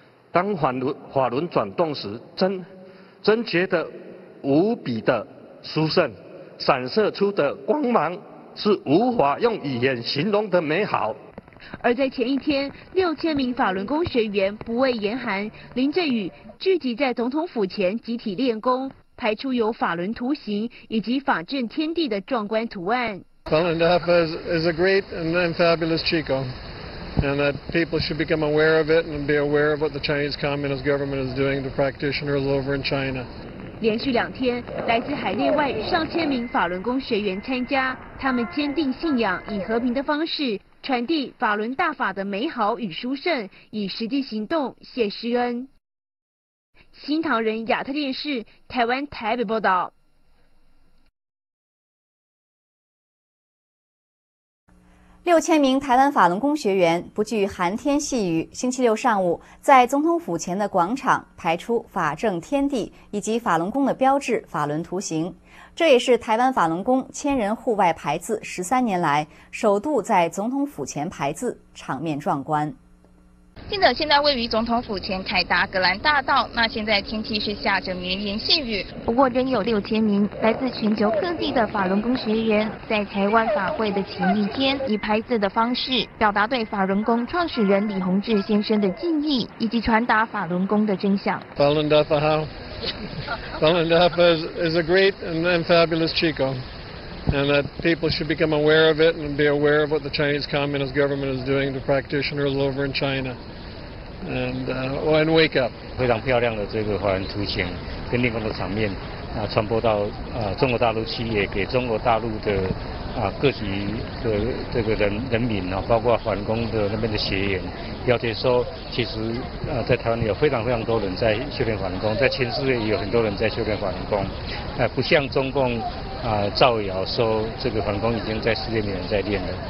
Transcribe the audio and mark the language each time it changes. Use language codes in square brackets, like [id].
[zh] 当法轮转动时，真觉得无比的殊胜，闪射出的光芒是无法用语言形容的美好。而在前一天，6000名法轮功学员不畏严寒，淋着雨聚集在总统府前集体练功，排出有法轮图形以及法阵天地的壮观图案。 [en] 法轮大法 is a great and fabulous qigong, and that people should become aware of it and be aware of what the Chinese Communist government is doing to practitioners over in China. [zh] 连续2天，来自海内外上千名法轮功学员参加，他们坚定信仰，以和平的方式传递法轮大法的美好与殊胜，以实际行动谢师恩。新唐人亚特电视台湾台北报道。 6000名台湾法轮功学员不惧寒天细雨，星期六上午在总统府前的广场排出法阵天地以及法轮功的标志法轮图形，这也是台湾法轮功千人户外排字13年来首度在总统府前排字，场面壮观。记者现在位于总统府前凯达格兰大道，那现在天气是下着绵绵细雨，不过仍有6000名来自全球各地的法轮功学员在台湾法会的前一天，以排字的方式表达对法轮功创始人李洪志先生的敬意，以及传达法轮功的真相。法轮大法好， [en] 法轮大法 is a great and fabulous qigong, and that people should become aware of it and be aware of what the Chinese Communist government is doing to practitioners over in China. And wake up. [zh] 非常漂亮的这个法轮图形，跟练功的场面传播到中国大陆去，也给中国大陆的各级的这个人民啊，包括法轮功的那边的学员，了解说，其实在台湾有非常非常多人在修炼法轮功，在全世界也有很多人在修炼法轮功，不像中共造谣说这个法轮功已经在世界没人在练了。